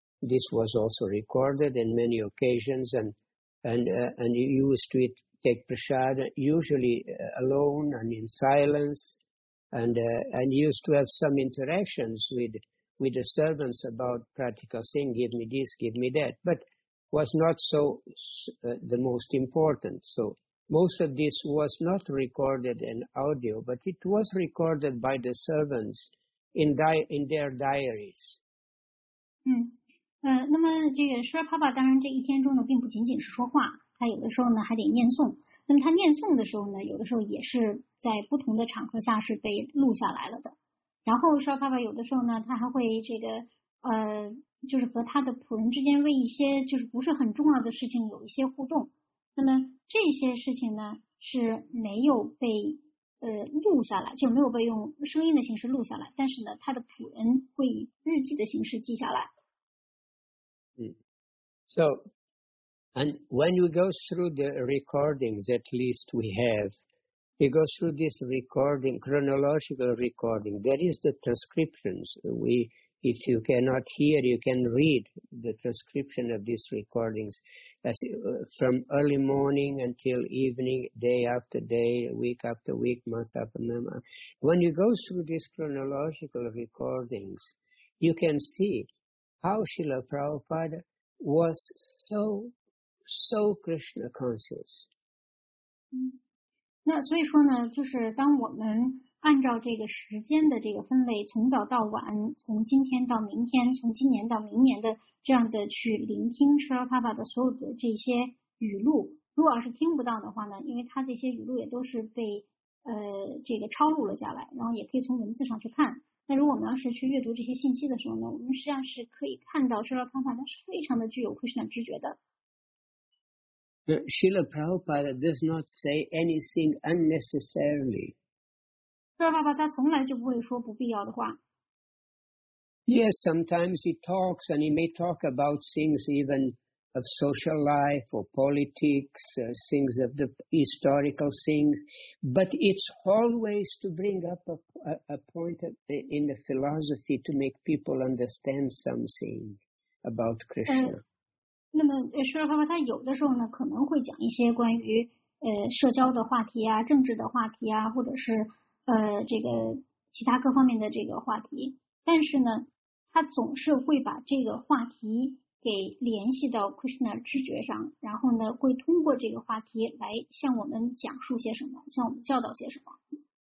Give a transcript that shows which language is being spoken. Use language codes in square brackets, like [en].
[en] This was also recorded in many occasions, and he used to eat, take prasad usually alone and in silence, and used to have some interactions with the servants about practical things, give me this, give me that, but was not so the most important. So most of this was not recorded in audio, but it was recorded by the servants in their diaries. [zh] 那么这个舒拉帕帕当然这一天中呢并不仅仅是说话，他有的时候呢还得念诵。那么他念诵的时候呢，有的时候也是在不同的场合下是被录下来了的。然后舒拉帕帕有的时候呢，他还会这个就是和他的仆人之间为一些就是不是很重要的事情有一些互动。那么这些事情呢是没有被录下来，就没有被用声音的形式录下来，但是呢他的仆人会以日记的形式记下来。 [en] So, and when we go through the recordings, at least we have, we go through this recording, chronological recording, there is the transcriptions. If you cannot hear, you can read the transcription of these recordings as, from early morning until evening, day after day, week after week, month after month. When you go through these chronological recordings, you can see how Srila Prabhupada was so Krishna conscious. [zh] 那所以说呢，就是当我们按照这个时间的这个分类，从早到晚，从今天到明天，从今年到明年的这样的去聆听Srila Prabhupada的所有的这些语录，如果要是听不到的话呢，因为他这些语录也都是被这个抄录了下来，然后也可以从文字上去看。那如果我们要是去阅读这些信息的时候呢，我们实际上是可以看到Srila Prabhupada是非常的具有Krishna知觉的。 [en] Srila Prabhupada does not say anything unnecessarily. [zh] Srila Prabhupada 他从来就不会说不必要的话。 [en] Yes, sometimes he talks and he may talk about things even of social life or politics, things of the historical things, but it's always to bring up a point of the, in the philosophy to make people understand something about Krishna. [zh] 那么Srila Prabhupada他有的时候呢可能会讲一些关于社交的话题啊，政治的话题啊，或者是这个其他各方面的这个话题，但是呢他总是会把这个话题给联系到 Krishna 知觉上，然后呢会通过这个话题来向我们讲述些什么，向我们教导些什么。